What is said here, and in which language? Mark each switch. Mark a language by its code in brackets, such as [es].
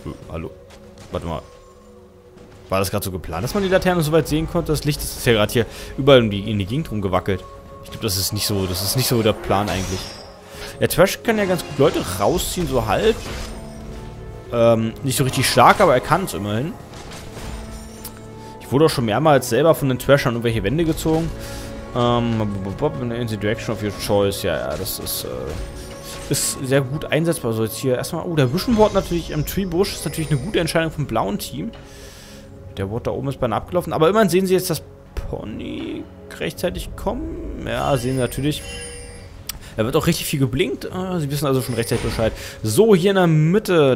[de] Hallo? Warte mal. War das gerade so geplant, dass man die Laterne so weit sehen konnte? Das Licht ist ja gerade hier überall in die Gegend rumgewackelt. Ich glaube, das ist nicht so der Plan eigentlich. Ja, Trash kann ja ganz gut Leute rausziehen, so halb. Nicht so richtig stark, aber er kann es immerhin. Ich wurde auch schon mehrmals selber von den Trashern irgendwelche Wände gezogen. [en] In the direction of your choice. [de] Ja, das ist, ist sehr gut einsetzbar. So, jetzt hier erstmal. Oh, der Vision Ward natürlich im Tree Bush ist natürlich eine gute Entscheidung vom blauen Team. Der Ward da oben ist beinahe abgelaufen. Aber immerhin sehen sie jetzt das Pony rechtzeitig kommen. Ja, sehen sie natürlich. Da wird auch richtig viel geblinkt. Sie wissen also schon rechtzeitig Bescheid. So, hier in der Mitte.